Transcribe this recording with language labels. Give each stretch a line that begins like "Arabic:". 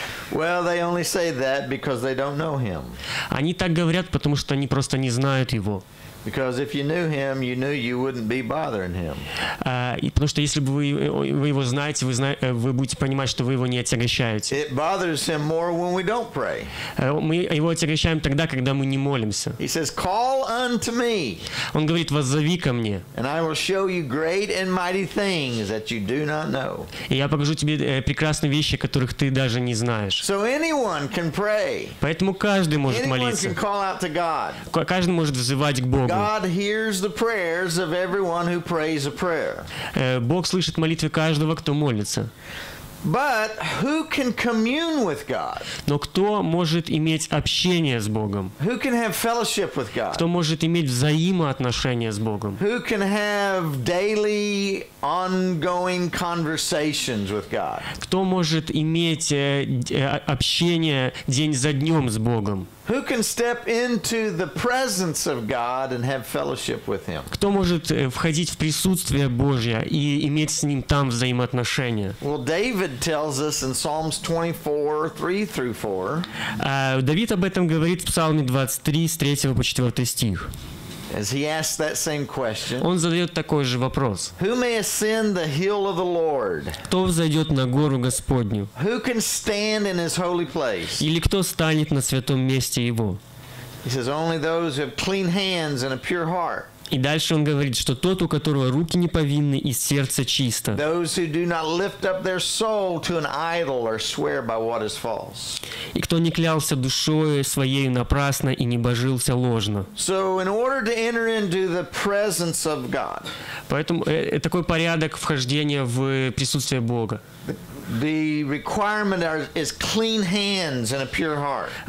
English: Well, they only say that because they don't know him.
Russian: Они так говорят, потому что они просто не знают его.
English: Because if you knew him, you knew you wouldn't be bothering him.
Russian: И потому что если бы вы его знаете, вы будете понимать, что вы его не отягощаете.
English: It bothers him more when we don't pray.
Russian: Мы его отягощаем тогда, когда мы не молимся.
English: He says, "Call unto me."
Russian: Он говорит, воззови ко мне.
English: And I will show you great and mighty things that you do not know.
Russian: И я покажу тебе прекрасные вещи, которых ты даже не знаешь.
English: So anyone can pray.
Russian: Поэтому каждый может молиться.
English: Anyone can call out to God.
Russian: Каждый может взывать к Богу.
English: God hears the prayers of everyone who prays a prayer.
Russian: Бог слышит молитвы каждого, кто молится.
English: But who can commune with God?
Russian: Но кто может иметь общение с Богом?
English: Who can have fellowship with God?
Russian: Кто может иметь взаимоотношения с Богом?
English: Who can have daily ongoing conversations with God?
Russian: Кто может иметь общение день за днем с Богом?
English: Who can step into the presence of God and have fellowship with Him?
Russian: Кто может входить в присутствие Божье и иметь с Ним там взаимоотношения?
English: Well, David tells us in Psalms 24:3-4.
Russian: Давид об этом говорит в Псалме 23, с 3 по 4 стих.
English: As he asks that same question,
Russian: он задает такой же вопрос.
English: Who may ascend the hill of the Lord?
Russian: Кто взойдет на гору Господню?
English: Who can stand in his holy place?
Russian: Или кто станет на святом месте Его?
English: He says, only those who have clean hands and a pure heart.
Russian: И дальше он говорит, что тот, у которого руки не повинны и сердце чисто.
English: Those who do not lift up their soul to an idol or swear by what is false.
Russian: И кто не клялся душою своей напрасно и не божился ложно.
English: So in order to enter into the presence of God.
Russian: Поэтому такой порядок вхождения в присутствие Бога.
English: The requirement is clean hands and a pure heart.